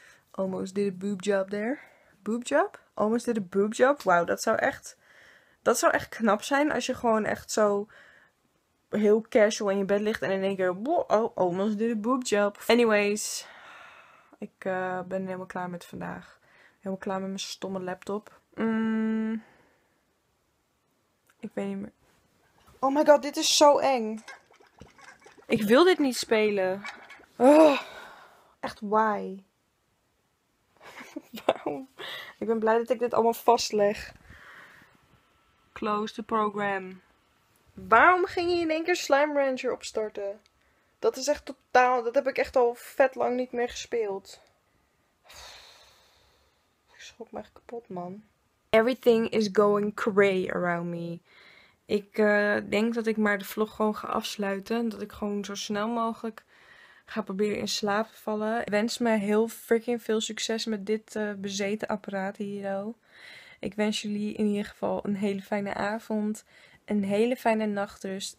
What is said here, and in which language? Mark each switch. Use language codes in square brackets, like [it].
[en] Almost did a boob job there. Boob job? Almost did a boob job? [nl] Wauw, dat zou echt... Dat zou echt knap zijn als je gewoon echt zo heel casual in je bed ligt. En in één keer, wow, oh, [en] almost did a boob job. [nl] Anyways, ik ben helemaal klaar met vandaag. Helemaal klaar met mijn stomme laptop. Ik weet niet meer. [en] Oh my god, [nl] dit is zo eng. Ik wil dit niet spelen. Ugh. Echt, [en] why? [nl] Waarom? Ik ben blij dat ik dit allemaal vastleg. [en] Close the program. [nl] Waarom ging je in één keer Slime Rancher opstarten? Dat is echt totaal... Dat heb ik echt al vet lang niet meer gespeeld. Ik schrok me echt kapot, man. [en] Everything is going cray around me. [nl] Ik denk dat ik maar de vlog gewoon ga afsluiten. Dat ik gewoon zo snel mogelijk ga proberen in slaap te vallen. Ik wens me heel freaking veel succes met dit bezeten apparaat hier al. Ik wens jullie in ieder geval een hele fijne avond, een hele fijne nachtrust.